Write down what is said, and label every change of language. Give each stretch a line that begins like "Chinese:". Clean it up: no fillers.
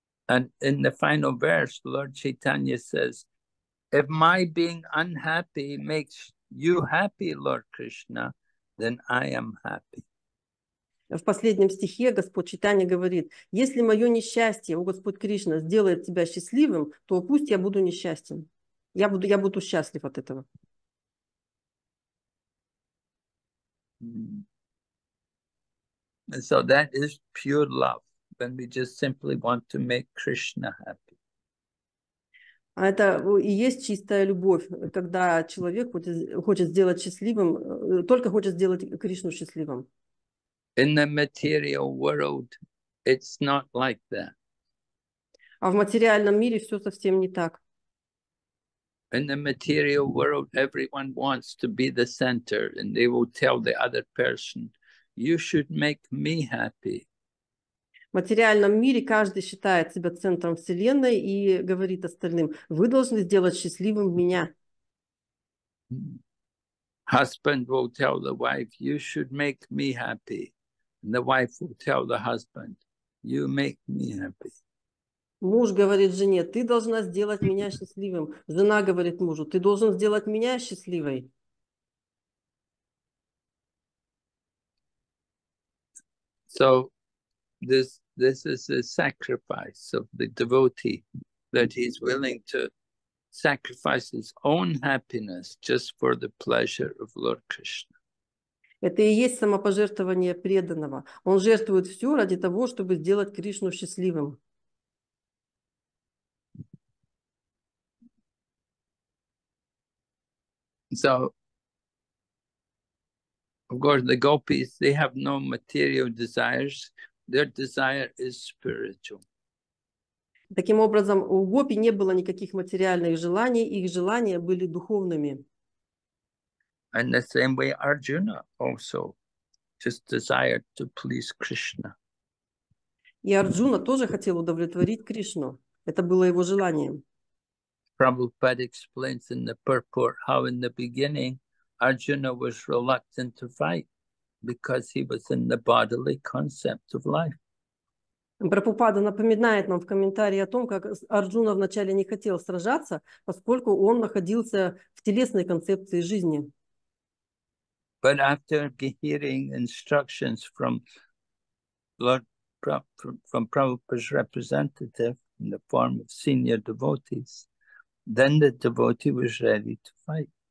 English: And in the final verse, Lord Chaitanya says, if my being unhappy makes you happy, Lord Krishna, then I am happy.
Russian: В последнем стихе Господь Чайтанья говорит, если мое несчастье, о Господь Кришна, сделает тебя счастливым, то пусть я буду несчастен. Я буду счастлив от этого.
English: And so that is pure love, when we just simply want to make Krishna happy.
Russian: Это и есть чистая любовь, когда человек хочет сделать счастливым, только хочет сделать Кришну счастливым.
English: In the material world, it's not like that.
Russian: А в материальном мире все совсем не так.
English: In the material world, everyone wants to be the center, and they will tell the other person, you should make me happy.
Russian: В материальном мире каждый считает себя центром Вселенной и говорит остальным, вы должны сделать счастливым меня.
English: Husband will tell the wife, you should make me happy. And the wife will tell the husband, you make me happy.
Russian: Муж говорит жене, ты должна сделать меня счастливым. Жена говорит мужу, ты должен сделать меня счастливой.
English: So, this is a sacrifice of the devotee, that he's willing to sacrifice his own happiness just for the pleasure of Lord Krishna.
Russian: Это и есть самопожертвование преданного. Он жертвует все ради того, чтобы сделать Кришну счастливым.
English: So, of course, the gopis, they have no material desires. Their desire is spiritual.
Russian: Таким образом, у гопи не было никаких материальных желаний, их желания были духовными.
English: And the same way Arjuna also just desired to please Krishna.
Russian: И Арджуна тоже хотел удовлетворить Кришну. Это было его желанием.
English: Prabhupada explains in the purport how in the beginning Arjuna was reluctant to fight because he was in the bodily concept of life.
Russian: Прабхупада напоминает нам в комментарии о том, как Арджуна вначале не хотел сражаться, поскольку он находился в телесной концепции жизни.
English: But after hearing instructions from Lord from Prabhupada's representative in the form of senior devotees, then the devotee was ready to fight.